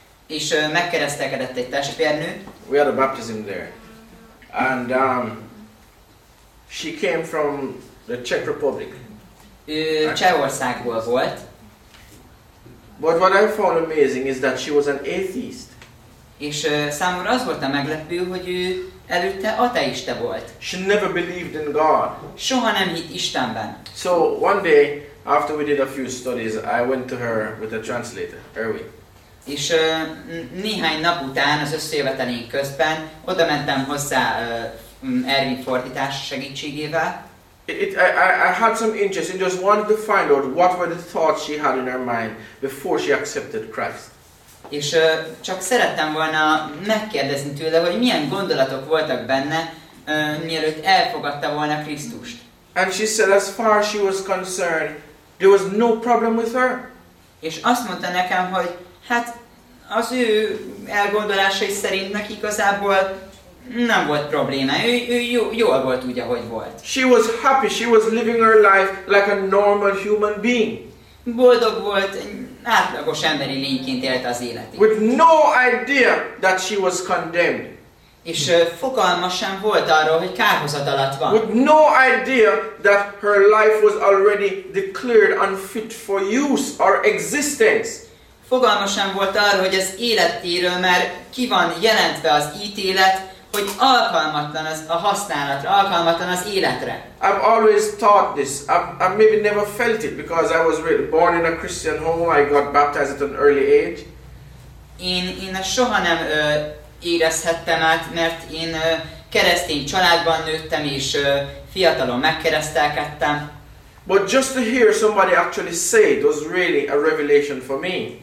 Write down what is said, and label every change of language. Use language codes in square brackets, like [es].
[hu] És megkeresztelkedett egy testvérnő. [en] We had a baptism there. And she came from the Czech Republic. [hu] Csehországból volt. [en] But what I found amazing is that she was an atheist. [hu] És számomra az volt a meglepő, hogy ő előtte ateista volt. [en] She never believed in God. [hu] Soha nem hitt Istenben. [en] So one day, after we did a few studies, I went to her with a translator, Erwin. [hu] És néhány nap után, az összejövetelénk közben, oda mentem hozzá Erwin fordítás segítségével. [en] I had some interest and just wanted to find out what were the thoughts she had in her mind before she accepted Christ. [hu] És csak szerettem volna megkérdezni tőle, hogy milyen gondolatok voltak benne, mielőtt elfogadta volna Krisztust. [en] And she said, as far as she was concerned, there was no problem with her. [hu] És azt mondta nekem, hogy hát az ő elgondolásai szerint neki igazából nem volt probléma. Ő jól volt úgy, ahogy volt. [en] She was happy. She was living her life like a normal human being. [hu] Boldog volt, átlagos emberi lényként élt az életét. [en] With no idea that she was condemned. [hu] És fogalma sem volt arról, hogy kárhozat alatt van. [en] With no idea that her life was already declared unfit for use or existence. [hu] Fogalma sem volt arról, hogy az életéről már ki van jelentve az ítélet, hogy alkalmatlan az a használatra, alkalmatlan az életre. [en] I've always thought this. I've maybe never felt it because I was really born in a Christian home. I got baptized at an early age. [hu] Én soha nem érezhettem át, mert én keresztény családban nőttem és fiatalon megkeresztelkedtem. [en] But just to hear somebody actually say it was really a revelation for me.